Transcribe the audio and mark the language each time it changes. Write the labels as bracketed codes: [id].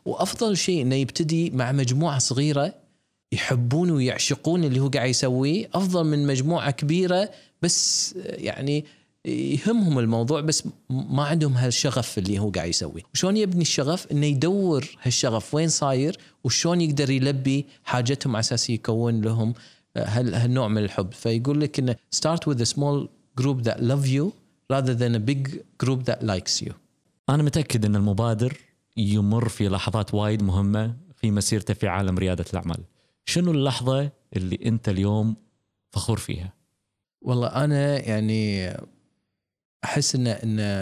[ar] وأفضل شيء أنه يبتدي مع مجموعة صغيرة يحبون ويعشقون اللي هو قاعد يسويه, أفضل من مجموعة كبيرة بس يعني يهمهم الموضوع بس ما عندهم هالشغف اللي هو قاعد يسويه. وشون يبني الشغف؟ إنه يدور هالشغف وين صاير وشون يقدر يلبي حاجتهم على أساس يكون لهم هالنوع من الحب. فيقول لك إنه [en] start with a small group that love you rather than a big group that likes you. [ar] أنا متأكد إن المبادر يمر في لحظات وايد مهمة في مسيرته في عالم ريادة الأعمال. شنو اللحظة اللي أنت اليوم فخور فيها؟ والله أنا يعني أحس إن